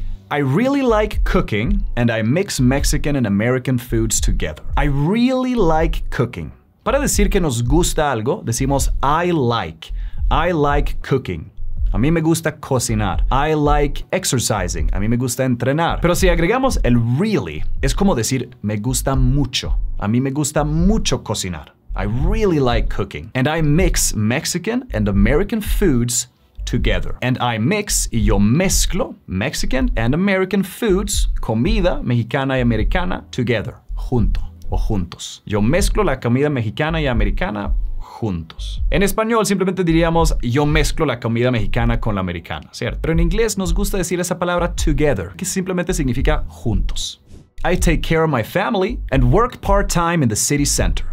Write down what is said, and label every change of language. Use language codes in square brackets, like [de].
[en] I really like cooking and I mix Mexican and American foods together. I really like cooking. [es] Para decir que nos gusta algo, decimos [en] I like. I like cooking. [es] A mí me gusta cocinar. [en] I like exercising. [es] A mí me gusta entrenar. Pero si agregamos el really, es como decir me gusta mucho. A mí me gusta mucho cocinar. [en] I really like cooking. And I mix Mexican and American foods together. And I mix, [es] y yo mezclo, [en] Mexican and American foods, [es] comida mexicana y americana, together, junto o juntos. Yo mezclo la comida mexicana y americana juntos. En español simplemente diríamos, yo mezclo la comida mexicana con la americana, ¿cierto? Pero en inglés nos gusta decir esa palabra together, que simplemente significa juntos. [en] I take care of my family and work part-time in the city center.